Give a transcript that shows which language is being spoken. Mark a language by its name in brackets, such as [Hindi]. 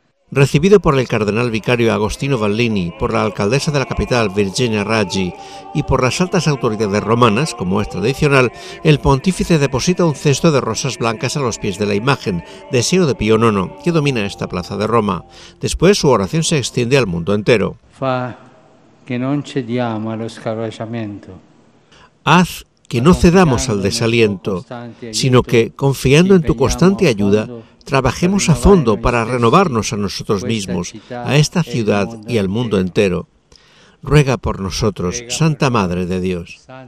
[Spanish] Recibido por el cardenal vicario Agostino Vallini, por la alcaldesa de la capital Virginia Raggi y por las altas autoridades romanas, como es tradicional, el pontífice deposita un cesto de rosas blancas a los pies de la imagen, deseo de Pío IX, que domina esta plaza de Roma. Después su oración se extiende al mundo entero. [Italian] Fa que no cediamo allo scoraggiamento. [Spanish] Haz que no cedamos al desaliento, sino que, confiando en tu constante ayuda, trabajemos a fondo para renovarnos a nosotros mismos, a esta ciudad y al mundo entero. Ruega por nosotros, Santa Madre de Dios.